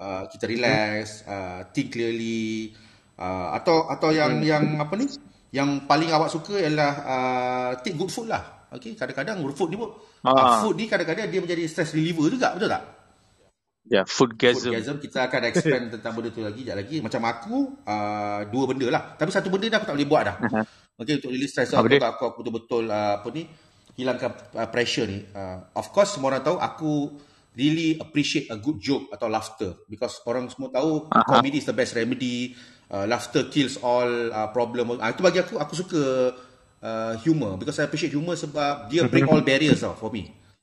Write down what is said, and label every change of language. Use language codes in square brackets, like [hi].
[en] Kita relax, think clearly. [ms] Atau yang apa ni, yang paling awak suka ialah [en] take good food [ms] lah. Okay, kadang-kadang food ni pun, food ni kadang-kadang dia menjadi stress reliever juga, betul tak? [en] Yeah, foodgasm. [ms] Foodgasm, kita akan expand tentang benda tu lagi, sekejap lagi. Macam aku, dua benda lah. Tapi satu benda ni aku tak boleh buat dah. Okay, untuk release stress Apa aku dia? agak aku betul-betul apa ni, hilangkan pressure ni. [en] Of course, [ms] semua orang tahu aku [en] really appreciate a good joke atau laughter. Because [ms] orang semua tahu, [en] comedy is the best remedy. Laughter kills all problem. [ms] Itu bagi aku, aku suka humor. [en] Because I appreciate humor [ms] sebab dia [en] break all barriers tau for me.